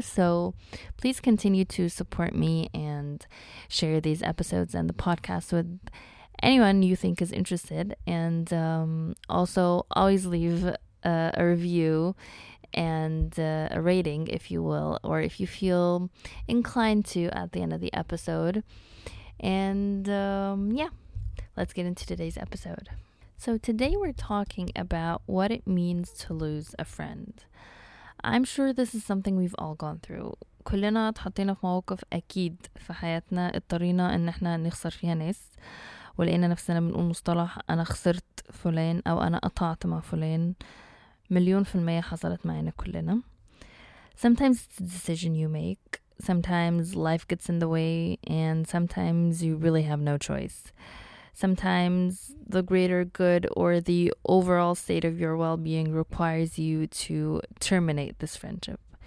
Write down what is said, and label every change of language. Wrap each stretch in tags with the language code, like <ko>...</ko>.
<en>So please continue to support me and share these episodes and the podcast with anyone you think is interested, and also always leave a review and a rating, if you will, or if you feel inclined to at the end of the episode. And let's get into today's episode. So today we're talking about what it means to lose a friend. I'm sure this is something we've all gone through.</en> <ar>كلنا تحطينا في موقف أكيد في حياتنا اضطرينا إن إحنا نخسر فيها ناس. ولقينا نفسنا بنقول مصطلح أنا خسرت فلان أو أنا قطعت مع فلان. مليون في المية حصلت معنا كلنا.</ar> <en>Sometimes it's a decision you make. Sometimes life gets in the way, and sometimes you really have no choice. Sometimes the greater good or the overall state of your well-being requires you to terminate this friendship.</en>